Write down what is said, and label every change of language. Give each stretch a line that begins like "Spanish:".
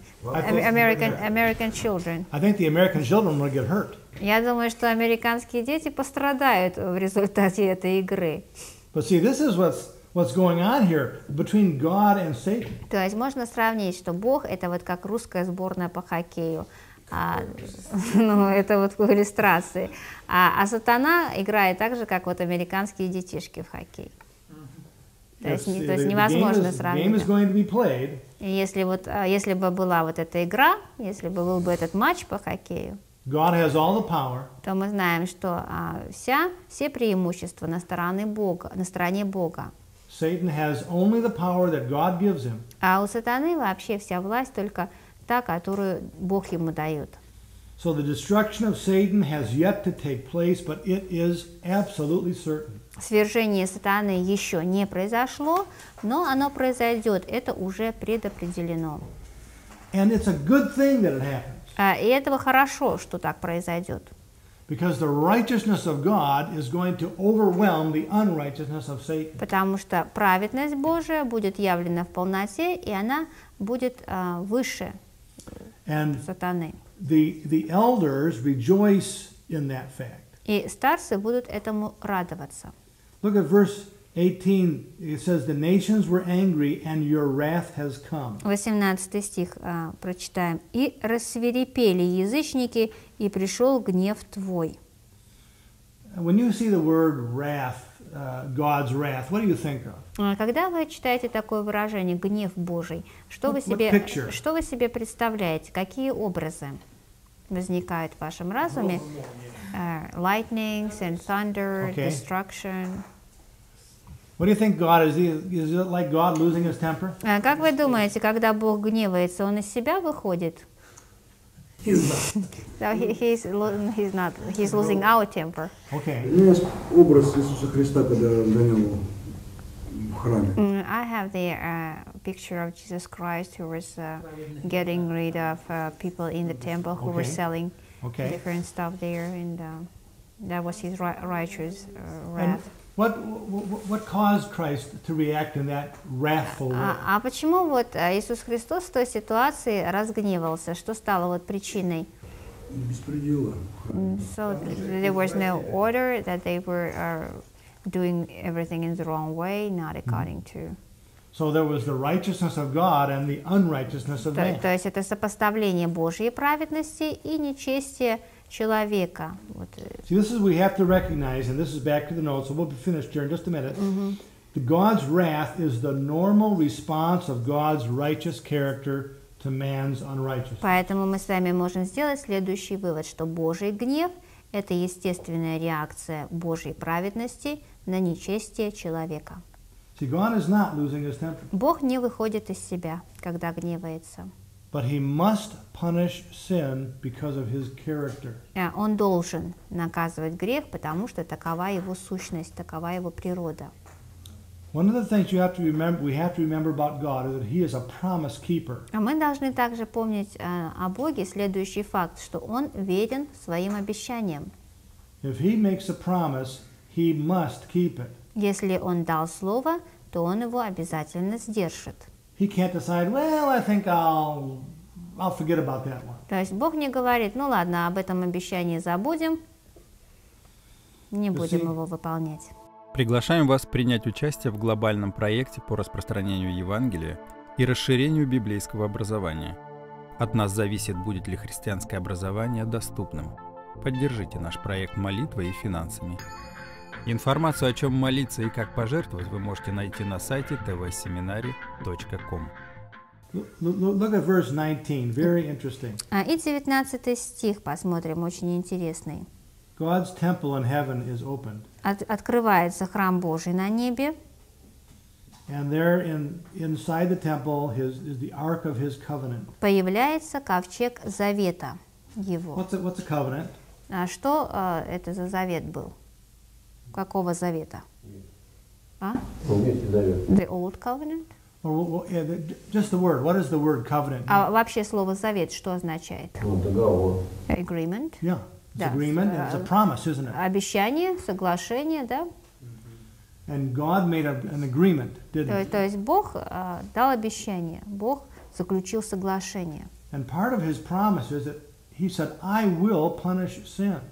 English: I think the American children will get hurt.
Russian: Я думаю, что американские дети пострадают в результате этой игры.
English: But see, this is what's going on here between God and Satan.
Russian: То есть можно сравнить, что Бог это вот как русская сборная по хоккею. Это вот в иллюстрации. А сатана играет так же, как вот американские детишки в хоккей. То есть невозможно сравнивать. Если бы была вот эта игра, если бы был бы этот матч по хоккею,
English: God has all the power,
Russian: то мы знаем, что все преимущества на стороне Бога.
English: Satan has only the power that God gives him.
Russian: А у сатаны вообще вся власть только та, которую Бог ему дает.
English: So the destruction of Satan has yet to take place, but it is absolutely certain.
Russian: Свержение сатаны еще не произошло, но оно произойдет. Это уже предопределено.
English: And it's a good thing that it happens.
Russian: И этого хорошо, что так произойдет.
English: Because the righteousness of God is going to overwhelm the unrighteousness of Satan.
Russian: Потому что праведность Божия будет явлена в полноте, и она будет выше сатаны.
English: The elders rejoice in that fact.
Russian: И старцы будут этому радоваться.
English: Look at verse 18. It says, "The nations were angry, and your wrath has come."
Russian: 18 стих прочитаем. И рассвирепели язычники, и пришел гнев твой.
English: When you see the word wrath, God's wrath, what do you think of?
Russian: Когда вы читаете такое выражение, гнев Божий, что вы себе представляете? Какие образы возникают в вашем разуме?
English: Lightnings and thunder, okay. Destruction. What do you think God is? Is it like God losing his temper?
Russian: Как вы думаете, когда Бог гневается, он из себя выходит?
English: He's losing our temper. Okay.
Russian: У меня есть образ Иисуса Христа, когда гонял в храме.
English: I have the picture of Jesus Christ who was getting rid of people in the temple who were selling different stuff there, and that was his righteous wrath. What caused Christ to react in that wrathful way?
Russian: А почему вот Иисус Христос в той ситуации разгневался? Что стало вот причиной? Беспредела.
English: So there was no order, that they were doing everything in the wrong way, not according to. So there was the righteousness of God and the unrighteousness of man.
Russian: То есть это сопоставление Божьей праведности и нечестия человека.
English: See, this is what we have to recognize, and this is back to the notes, so we'll be finished here in just a minute. Mm-hmm. The God's wrath is the normal response of God's righteous character to man's unrighteousness.
Russian: Поэтому мы с вами можем сделать следующий вывод, что Божий гнев – это естественная реакция Божьей праведности на нечестие человека.
English: See, God is not losing his temper.
Russian: Бог не выходит из себя, когда гневается.
English: But he must punish sin because of his character.
Russian: Он должен наказывать грех, потому что такова его сущность, такова его природа.
English: One of the things we have to remember about God is that he is a promise keeper.
Russian: Мы должны также помнить о Боге следующий факт, что он верен своим обещаниям.
English: If he makes a promise, he must keep it.
Russian: Если он дал слово, то он его обязательно сдержит.
English: He can't decide, well, I think I'll forget about that one.
Russian: То есть Бог не говорит, ну ладно, об этом обещании забудем, не будем его выполнять. Приглашаем вас принять участие в глобальном проекте по распространению Евангелия и расширению библейского образования. От нас зависит, будет ли христианское образование доступным. Поддержите наш проект молитвой и финансами. Информацию, о чем молиться и как пожертвовать, вы можете найти на сайте tvseminary.com.
English: Look at verse 19, very interesting.
Russian: И 19 стих посмотрим, очень интересный.
English: God's temple in heaven is opened.
Russian: Открывается храм Божий на небе.
English: And there inside the temple is the ark of his covenant.
Russian: Появляется ковчег завета его.
English: What's a covenant?
Russian: А что это за завет был? Какого завета? А?
English: The old covenant? Just the word. What is the word covenant?
Russian: А вообще слово завет что означает?
English: Agreement. Yeah. It's agreement and it's a promise, isn't it?
Russian: Обещание, соглашение, да?
English: And God made an agreement, didn't he?
Russian: То есть Бог дал обещание. Бог заключил соглашение.
English: And part of his promise is that he said, "I will punish sin."